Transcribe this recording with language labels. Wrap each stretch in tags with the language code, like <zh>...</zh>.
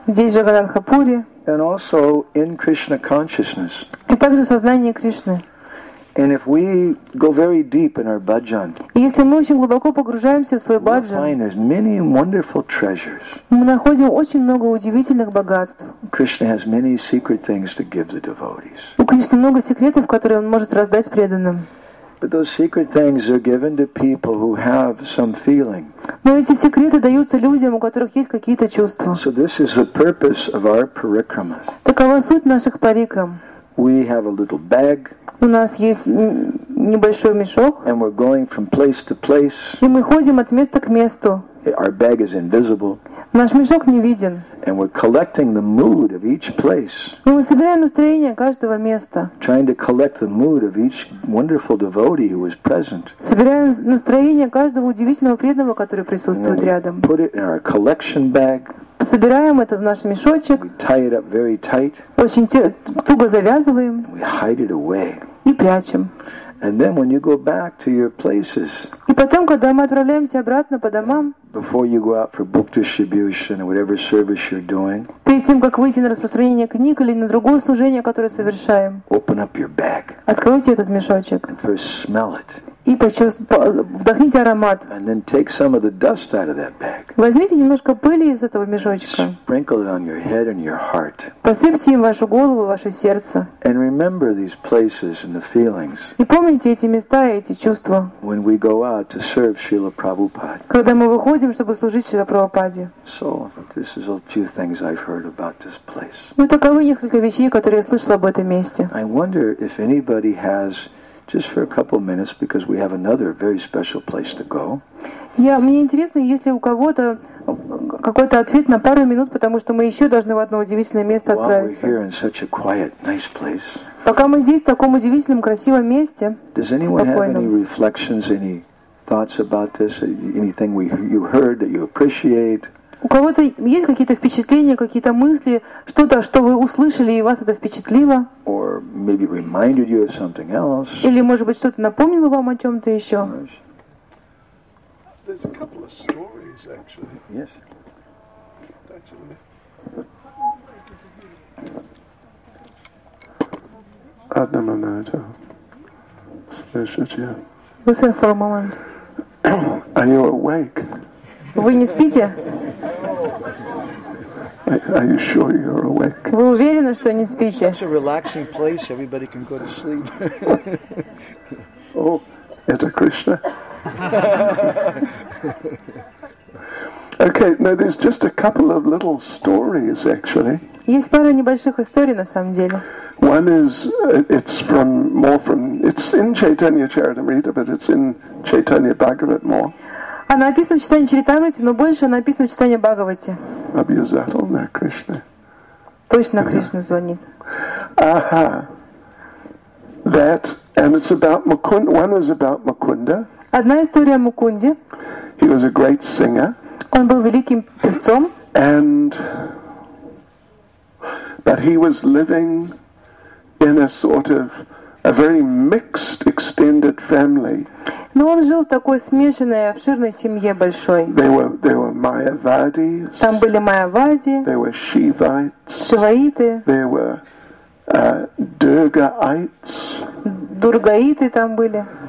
<ru>Здесь Джаганнатха Пури.</ru> <en>And also in Krishna consciousness.</en> <ru>И также в сознании Кришны.</ru> <en>And if we go very deep in our bhajan.</en> <ru>И если мы очень глубоко погружаемся в свой баджан.</ru> <en>We find there's many wonderful treasures.</en> <ru>Мы находим очень много удивительных богатств.</ru> <en>Krishna has many secret things to give the devotees.</en> <ru>У Кришны много секретов, которые он может раздать преданным.</ru> <en>But those secret things are given to people who have some feeling.</en> <ru>Но эти секреты даются людям, у которых есть какие-то чувства.</ru> <en>So this is the purpose of our parikrama.</en> <ru>Такова суть наших парикрам.</ru> <en>We have a little bag.</en> <ru>У нас есть небольшой мешок.</ru> <en>And we're going from place to place.</en> <ru>И мы ходим от места к месту.</ru> <en>Our bag is invisible.</en> <ru>Наш мешок не виден.</ru> <en>And we're collecting the mood of each place.</en> <ru>И мы собираем настроение каждого места.</ru> <en>Trying to collect the mood of each wonderful devotee who is present.</en> <ru>Собираем настроение каждого удивительного преданного, который присутствует рядом.</ru> <en>Put it in our collection bag.</en> <ru>Собираем это в наш мешочек.</ru> <en>We tie it up very tight.</en> <ru>Очень туго завязываем.</ru> <en>And we hide it away.</en> <ru>И прячем.</ru> <en>And then when you go back to your places.</en> <ru>И потом, когда мы отправляемся обратно по домам.</ru> <en>Before you go out for book distribution or whatever service you're doing.</en> <ru>Перед тем, как выйти на распространение книг или на другое служение, которое совершаем.</ru> <en>Open up your bag.</en> <ru>Откройте этот мешочек.</ru> <en>And first smell it.</en> <ru>И вдохните аромат.</ru> <en>And then take some of the dust out of that bag.</en> <ru>Возьмите немножко пыли из этого мешочка.</ru> <en>Sprinkle it on your head and your heart.</en> <ru>Посыпьте им вашу голову, ваше сердце.</ru> <en>And remember these places and the feelings.</en> <ru>И помните эти места и эти чувства.</ru> <en>When we go out to serve Srila Prabhupada.</en> <ru>Когда мы выходим, чтобы служить Шриле Прабхупаде.</ru> <en>So, this is a few things I've heard about this place.</en> <ru>Ну, таковы несколько вещей, которые я слышала об этом месте.</ru> <en>I wonder if anybody has just for a couple of minutes, because we have another very special place to go.</en> <ru>Yeah, мне интересно, есть ли у кого-то какой-то ответ на пару минут, потому что мы еще должны в одно удивительное место отправиться.</ru> <en>While we're here in such a quiet, nice place.</en> <ru>Пока мы здесь в таком удивительном, красивом месте.</ru> <en>Does anyone have any reflections, any thoughts about this? Anything you heard that you appreciate?</en> <ru>У кого-то есть какие-то впечатления, какие-то мысли, что-то, что вы услышали и вас это впечатлило?</ru> <en>Or maybe reminded you of something else.</en> <ru>Или, может быть, что-то напомнило вам о чем-то еще?</ru> <en>There's a couple of stories, actually. Yes.</en> <ru>Одна минута. Слышите?</ru> <en>Listen for a moment. Are you awake?</en> <ru>Вы не спите?</ru> <en>Are you sure you're awake?</en> <ru>Вы уверены, что не спите?</ru> <en>It's such a relaxing place. Everybody can go to sleep.</en> <ru>Oh, это Krishna.</ru> <en>Okay, now there's just a couple of little stories, actually.</en> <ru>Есть пара небольших историй на самом деле.</ru> <en>One is it's in Chaitanya Charitamrita, but it's in Chaitanya Bhagavat more.</en> <ru>Она описана в читании Чаритамрити, но больше она описана в читании Бхагавати. Обязательно Кришна. Точно Кришна звонит.</ru> <en>Ага. That, and it's about Mukunda. One is about Mukunda.</en> <ru>Одна история о Мукунде.</ru> <en>He was a great singer.</en> <ru>Он был великим певцом.</ru> <en>And, but he was living in a sort of a very mixed extended family.</en> <ru>Но он жил в такой смешанной, обширной семье большой.</ru> <en>They were Mayavadis.</en> <ru>Там были Майявади.</ru> <en>They were Shivites.</en> <ru>Шиваиты.</ru> <en>They were Durgaites.</en> <ru>Дургаиты там были.</ru>